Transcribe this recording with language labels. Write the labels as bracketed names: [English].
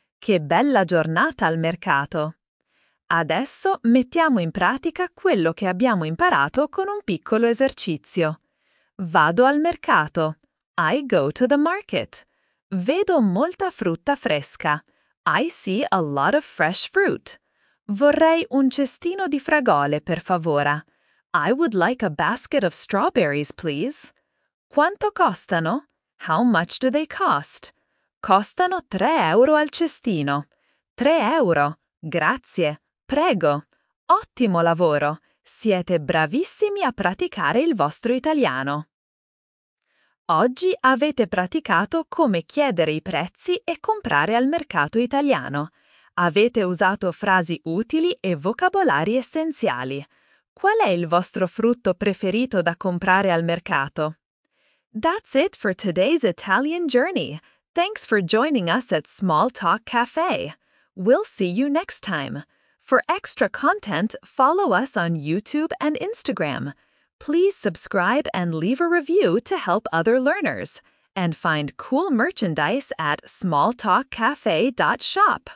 [Italian] Che bella giornata al mercato! Adesso mettiamo in pratica quello che abbiamo imparato con un piccolo esercizio. Vado al mercato. [English] I go to the market. [Italian] Vedo molta frutta fresca. [English] I see a lot of fresh fruit. [Italian] Vorrei un cestino di fragole, per favore. [English] I would like a basket of strawberries, please. [Italian] Quanto costano? [English] How much do they cost? [Italian] Costano 3 euro al cestino. 3 euro. Grazie. Prego. Ottimo lavoro. Siete bravissimi a praticare il vostro italiano. Oggi avete praticato come chiedere i prezzi e comprare al mercato italiano. Avete usato frasi utili e vocabolari essenziali. Qual è il vostro frutto preferito da comprare al mercato? [English] That's it for today's Italian journey. Thanks for joining us at Small Talk Cafe. We'll see you next time. For extra content, follow us on YouTube and Instagram. Please subscribe and leave a review to help other learners. And find cool merchandise at smalltalkcafe.shop.